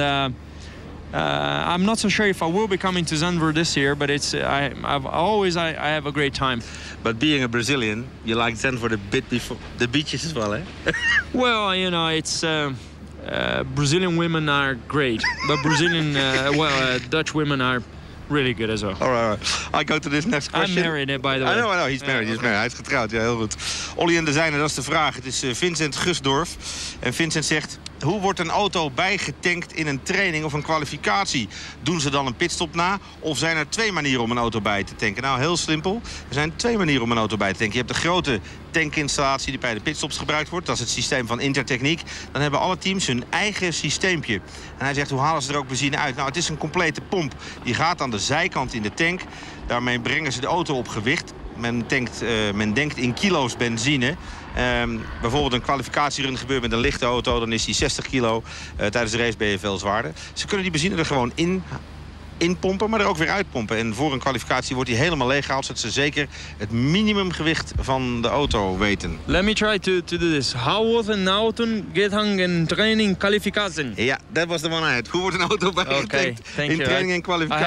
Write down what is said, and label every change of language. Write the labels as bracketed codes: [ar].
[en] And I'm not so sure if I will be coming to Zandvoort this year, but I have a great time. But being a Brazilian, you like Zandvoort a bit before the beaches as well, eh? Well, you know, it's Brazilian women are great, but Brazilian, Dutch women are really good as well. All right. I go to this next question. I'm married, by the way. I know. He's married. Yeah, okay. He's married. [nl] Hij is getrouwd. Ja, heel goed. Olly en de Zijne, dat is de vraag. Het is Vincent Gusdorf. En Vincent zegt... Hoe wordt een auto bijgetankt in een training of een kwalificatie? Doen ze dan een pitstop na? Of zijn er twee manieren om een auto bij te tanken? Nou, heel simpel. Er zijn twee manieren om een auto bij te tanken. Je hebt de grote tankinstallatie die bij de pitstops gebruikt wordt. Dat is het systeem van Intertechniek. Dan hebben alle teams hun eigen systeempje. En hij zegt, hoe halen ze er ook benzine uit? Nou, het is een complete pomp. Die gaat aan de zijkant in de tank. Daarmee brengen ze de auto op gewicht. Men denkt in kilo's benzine. Bijvoorbeeld een kwalificatierun gebeurt met een lichte auto, dan is die 60 kilo. Tijdens de race ben je veel zwaarder. Ze kunnen die benzine er gewoon in pompen, maar er ook weer uitpompen. En voor een kwalificatie wordt die helemaal leeggehaald, zodat ze zeker het minimumgewicht van de auto weten. [en] Let me try to do this. How was an auto getting in training qualification? [nl] Ja, dat was de [en] one I had. [nl] Hoe wordt een auto bijgetankt in training en kwalificatie?